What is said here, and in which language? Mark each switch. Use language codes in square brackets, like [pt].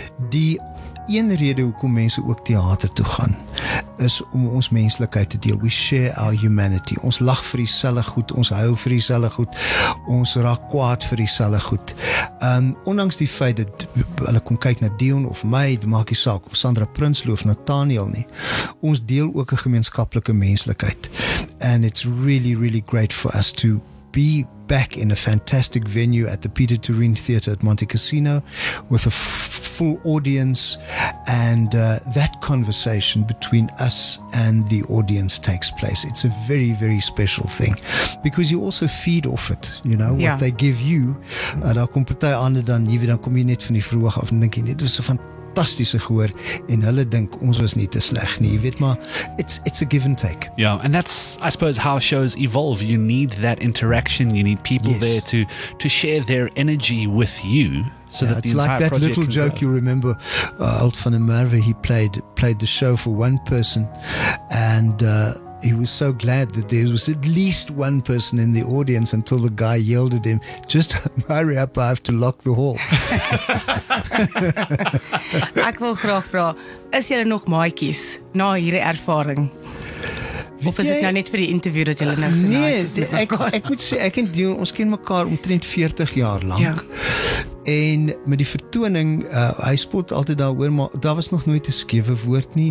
[af] Die een rede hoekom mense ook theater toe gaan, is om ons menslikheid te deel. [en] We share our humanity. [af] Ons lag vir dieselfde goed, ons huil vir dieselfde goed, ons raak kwaad vir dieselfde goed. Ondanks die feit dat hulle kom kyk na Dion of my, dit maak nie saak, of Sandra Prinsloo of Nathaniel nie, ons deel ook 'n gemeenskaplike menslikheid. [en] And it's really, really great for us to be back in a fantastic venue at the Peter Turin Theatre at Monte Cassino with a full audience, and that conversation between us and the audience takes place. It's a very, very special thing because you also feed off it, you know, what they give you. Daar kom party ander dan jy weet dan kom jy net van die vroeg af en dink jy net was so fantastiese gehoor en hulle dink ons was nie te sleg nie, jy weet, maar it's a give and take. Yeah, and that's I suppose how shows evolve. You need that interaction, you need people there to share their energy with you. So yeah, it's like that little joke you remember, Alt van der Merwe, he played the show for one person, and he was so glad that there was at least one person in the audience until the guy yelled at him, just hurry up, I have to lock the hall. [af] Ek wil graag vra, is jy nog maatjies na hierdie ervaring? Of is dit nou net vir die interview dat julle nou so nee, nice is? Nee, ek moet sê, ek en Dion, ons ken mekaar omtrent 40 jaar lang. En met die vertoning, hy spot altyd daaroor, maar daar was nog nooit 'n skewe woord nie.